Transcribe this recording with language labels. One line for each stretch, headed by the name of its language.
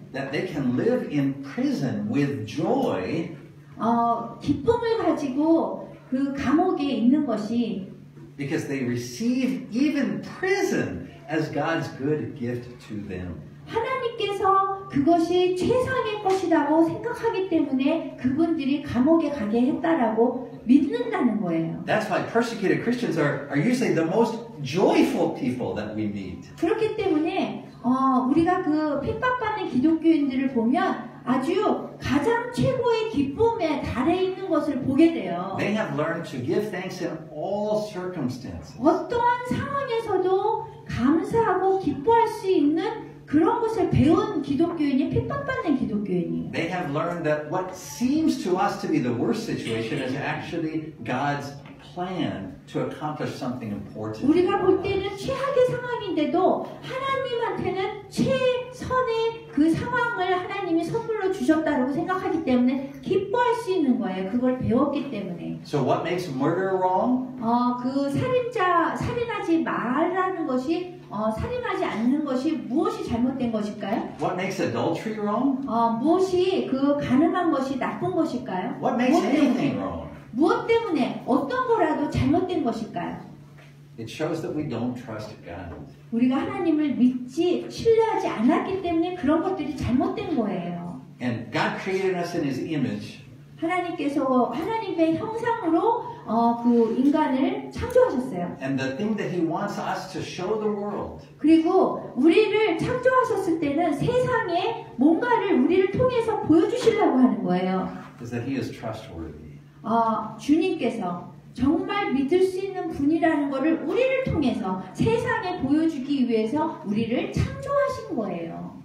English: That they can live in prison with joy.
Korean: 기쁨을 가지고 그 감옥에 있는 것이
English: because they receive even prison as God's good gift to them.
Korean: 하나님께서 그것이 최상의 것이라고 생각하기 때문에 그분들이 감옥에 가게 했다라고 믿는다는 거예요.
English: That's why persecuted Christians are usually the most joyful people that we meet.
Korean: 그렇기 때문에 우리가 그 핍박받는 기독교인들을 보면 아주 가장 최고의 기쁨에 달해 있는 것을 보게 돼요.
English: They have learned to give thanks in all circumstances.
Korean: 어떠한 상황에서도 감사하고 기뻐할 수 있는 그런 것을 배운 기독교인이 핍박받는 기독교인이에요.
English: They have learned that what seems to us to be the worst situation is actually God's plan to accomplish something important.
Korean: 우리가 볼 때는 최악의 상황인데도 하나님한테는 최선의 그 상황을 하나님이 선물로 주셨다고 생각하기 때문에 기뻐할 수 있는 거예요. 그걸 배웠기 때문에.
English: So what makes murder wrong?
Korean: 그 살인자 살인하지 말라는 것이 살인하지 않는 것이 무엇이 잘못된 것일까요?
English: What makes adultery wrong?
Korean: 무엇이 그 간음한 것이 나쁜 것일까요?
English: What makes anything wrong?
Korean: 무엇 때문에 어떤 거라도 잘못된 것일까요?
English: It shows that we don't trust God.
Korean: 우리가 하나님을 믿지 신뢰하지 않았기 때문에 그런 것들이 잘못된 거예요.
English: And God created us in His image.
Korean: 하나님께서 하나님의 형상으로 그 인간을 창조하셨어요.
English: And the thing that He wants us to show the world.
Korean: 그리고 우리를 창조하셨을 때는 세상에 뭔가를 우리를 통해서 보여주시려고 하는 거예요.
English: Is that He is trustworthy.
Korean: 주님께서 정말 믿을 수 있는 분이라는 것을 우리를 통해서 세상에 보여주기 위해서 우리를 창조하신 거예요.